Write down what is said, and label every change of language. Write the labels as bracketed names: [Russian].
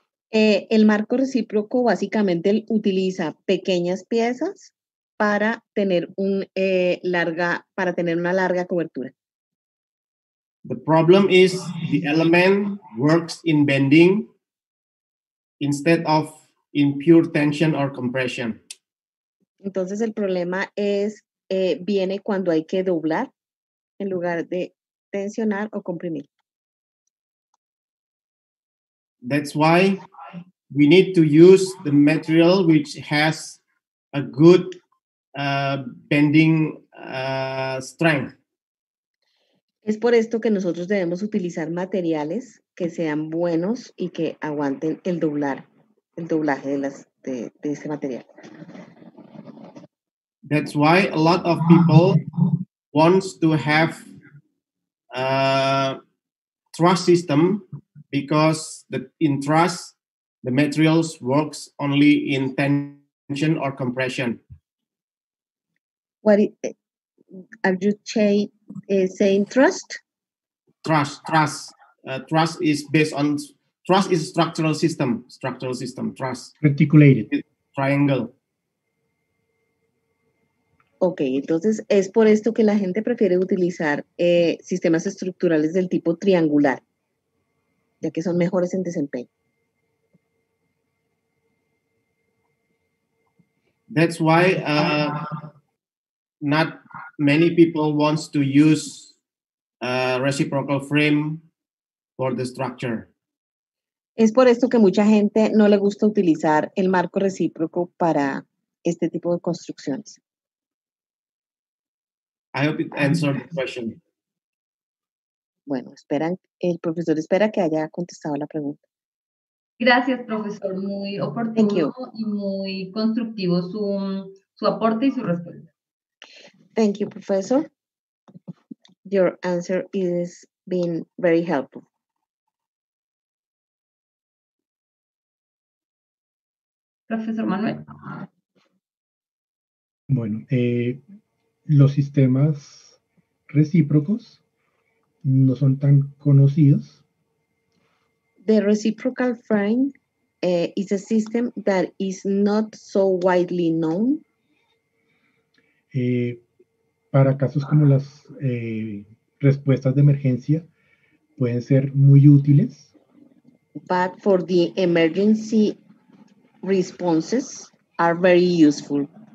[Spanish] El marco recíproco básicamente utiliza pequeñas piezas para tener una larga cobertura. [English] The problem is the element works in bending instead of in pure tension or compression. [Spanish] Entonces el problema es viene cuando hay que doblar en lugar de tensionar o comprimir. [English] That's why we need to use the material which has a good bending strength. [Spanish] Es por esto que nosotros debemos utilizar materiales que sean buenos y que aguanten el doblaje de este material. [English] That's why a lot of people wants to have a truss system. Because in truss, the materials works only in tension or compression. What are you saying? Truss? Truss is based on truss is structural system. Structural system. Truss. Reticulated. Triangle. [Spanish] Okay, entonces es por esto que la gente prefiere utilizar sistemas estructurales del tipo triangular, ya que son mejores en desempeño. [English] That's why not many people wants to use a reciprocal frame for the structure. [Spanish] Es por esto que mucha gente no le gusta utilizar el marco recíproco para este tipo de construcciones. [English] I hope it answered the question. [Spanish] Bueno, el profesor espera que haya contestado la pregunta. Gracias, profesor. Muy oportuno y muy constructivo su aporte y su respuesta. [English] Thank you, professor. Your answer is been very helpful. [Spanish] Profesor Manuel. Bueno, los sistemas recíprocos no son tan conocidos. [English] The reciprocal frame is a system that is not so widely known. [Spanish] Para casos como las respuestas de emergencia pueden ser muy útiles. [English] But for the emergency responses are very useful.